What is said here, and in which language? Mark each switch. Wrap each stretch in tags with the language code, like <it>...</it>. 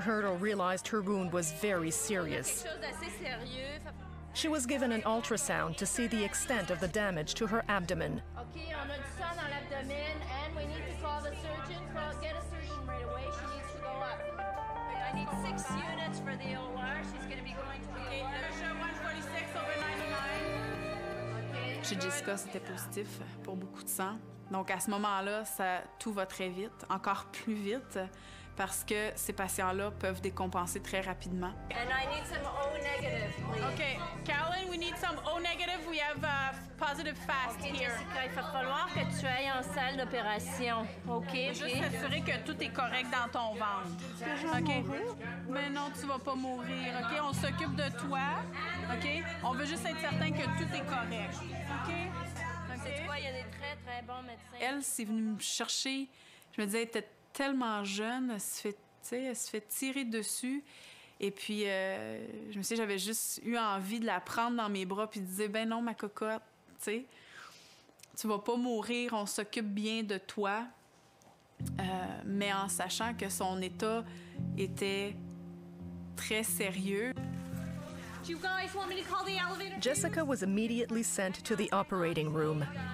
<en>Hurdle realized her wound was very serious. She was given an ultrasound to see the extent of the damage to her abdomen.</en> <fr>Okay, on a du sang dans l'abdomen,</fr> <en>and we need to call the surgeon. Get a surgeon right away. She needs to go up. I need 6 units for the OR. She's going to be going to the OR. Pressure 146 over 99.</en> <fr>Chez Jessica, c'était positif pour beaucoup de sang. Donc à ce moment-là, ça tout va très vite, encore plus vite. Parce que ces patients-là peuvent décompenser très rapidement.</fr> <en>And I need some O negative, please. Okay, Carolyn, we need some O negative. We have positive fast okay, here.</en> <fr>Jessica, il va falloir que tu ailles en salle d'opération. OK, juste s'assurer que tout est correct dans ton ventre. OK. Mais non, tu vas pas mourir. OK, on s'occupe de toi. OK, on veut juste être certain que tout est correct. OK. C'est toi, il y a des très très bons médecins. Elle s'est venue me chercher. Je me disais, t'es tellement jeune, elle se fait tirer dessus. Et puis, je me suis dit, j'avais juste eu envie de la prendre dans mes bras puis de dire, ben non, ma cocotte, tu sais, tu vas pas mourir, on s'occupe bien de toi. Mais en sachant que son état était très sérieux.</fr> <en>Do you guys want me to call the elevator? Jessica was immediately sent to the operating room.</en>